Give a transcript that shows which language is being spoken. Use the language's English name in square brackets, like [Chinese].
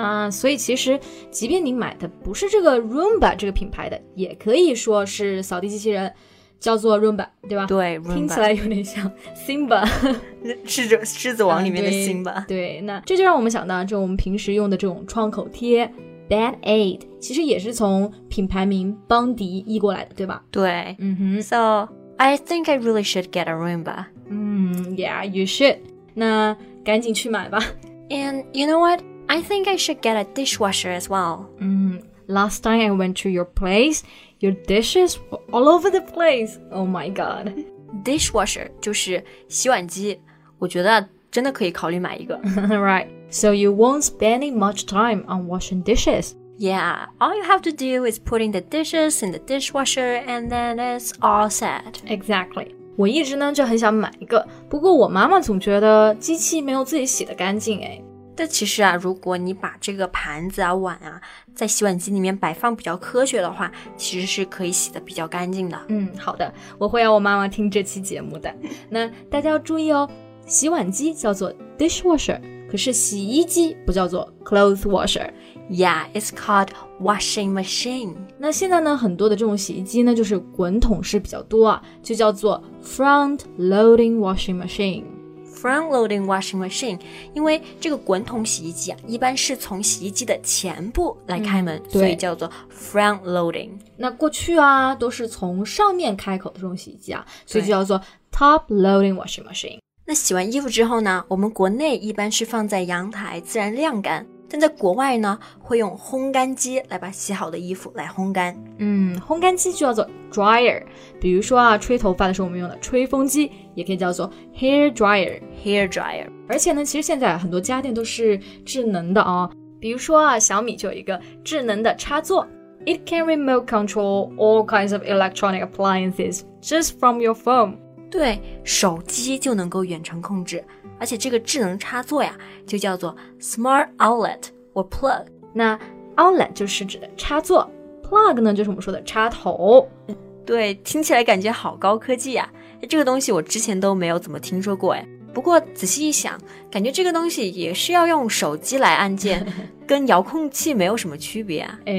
[Chinese] 所以其实即便你买的不是这个 Roomba 这个品牌的，也可以说是扫地机器人叫做 Roomba， 对吧？对， Roomba 听起来有点像 Simba，狮子王里面的 Simba。对，那这就让我们想到，就我们平时用的这种创口贴 Band-Aid， 其实也是从品牌名邦迪译过来的，对吧？ [English] 对，So I think I really should get a Roomba. Yeah, you should. [Chinese] 那赶紧去买吧。 [English] And you know what? I think I should get a dishwasher as well. Last time I went to your place. Your dishes were all over the place. Oh my god. [Chinese] Dishwasher 就是洗碗机，我觉得真的可以考虑买一个。 [English] Right. So you won't spend much time on washing dishes. Yeah. All you have to do is putting the dishes in the dishwasher and then it's all set. Exactly. [Chinese] 我一直呢就很想买一个，不过我妈妈总觉得机器没有自己洗的干净哎。但其实啊，如果你把这个盘子啊碗啊在洗碗机里面摆放比较科学的话，其实是可以洗得比较干净的。好的，我会让我妈妈听这期节目的。那大家要注意哦，洗碗机叫做 dishwasher， 可是洗衣机不叫做 clothes washer。 [English] Yeah, it's called washing machine. [Chinese] 那现在呢，很多的这种洗衣机呢就是滚筒式比较多啊，就叫做 front loading washing machine Front loading washing machine， 因为这个滚筒洗衣机啊，一般是从洗衣机的前部来开门，所以叫做 front loading。那过去啊，都是从上面开口的这种洗衣机啊，所以就叫做 top loading washing machine。那洗完衣服之后呢，我们国内一般是放在阳台自然晾干，但在国外呢，会用烘干机来把洗好的衣服来烘干。烘干机就叫做 dryer。比如说啊，吹头发的时候我们用的吹风机，也可以叫做 hair dryer。 [English] hair dryer。 [Chinese] 而且呢，其实现在很多家电都是智能的啊。比如说啊，小米就有一个智能的插座 [English] ，it can remote control all kinds of electronic appliances just from your phone。 [Chinese] 对，手机就能够远程控制。而且这个智能插座呀，就叫做 smart outlet or plug。那 outlet 就是指的插座， plug 呢就是我们说的插头。对，听起来感觉好高科技呀。这个东西我之前都没有怎么听说过，不过仔细一想，感觉这个东西也是要用手机来按键，跟遥控器没有什么区别啊。